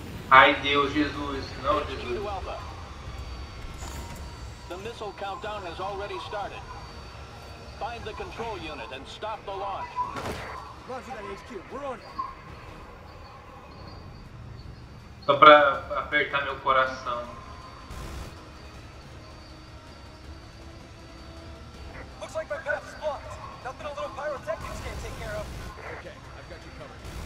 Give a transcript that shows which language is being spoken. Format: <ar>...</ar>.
<pt>Ai Deus, Jesus, não Jesus.</pt> <en>The missile countdown has already started. Find the control unit and stop the launch. Roger that, HQ. We're on it.</en> <pt>Só pra apertar meu coração.</pt> <en>Looks like my path's blocked. Nothing a little pyrotechnics can't take care of. Okay, I've got you covered.</en>